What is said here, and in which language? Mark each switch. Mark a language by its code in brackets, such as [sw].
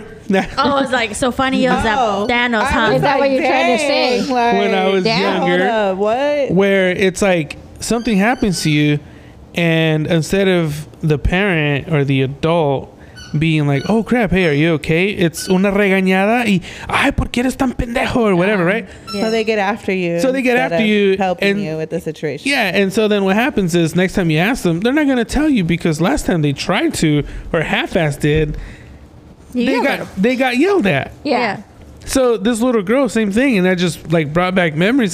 [en] So- Oh, I was like, so funny it was Thanos, huh? Is that what you're trying to say? Like, when I was younger. What? Where it's like something happens to you and instead of the parent or the adult being like, oh crap, hey, are you okay? It's [es] una regañada y ay, ¿por qué eres tan pendejo? [en] Or whatever, right? Yeah. So they get after you. So they get after you. Helping you with the situation. Yeah, and so then what happens is next time you ask them, they're not going to tell you because last time they tried to or half-assed did. They got yelled at. Yeah. So this little girl, same thing, and that just like brought back memories.